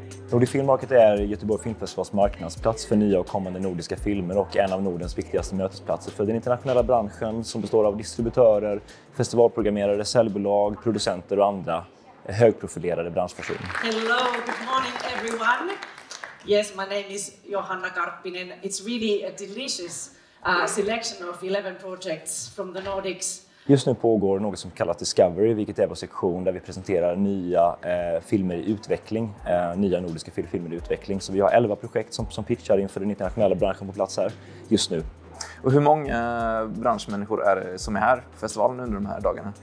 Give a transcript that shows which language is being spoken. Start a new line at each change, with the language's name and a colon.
Swedish: Nordic Film Market är Göteborg Film Festivals marknadsplats för nya och kommande nordiska filmer och en av Nordens viktigaste mötesplatser för den internationella branschen som består av distributörer, festivalprogrammerare, säljbolag, producenter och andra högprofilerade branschpersoner.
English: Hello, good morning everyone. Yes, my name is Johanna Karppinen. It's really a delicious selection of 11 projects from the Nordics.
Swedish: Just nu pågår något som kallas Discovery, vilket är vår sektion där vi presenterar nya filmer i utveckling, nya nordiska filmer i utveckling. Så vi har 11 projekt som pitchar inför den internationella branschen på plats här just nu. Och hur många branschmänniskor är det som är här på festivalen under de här dagarna?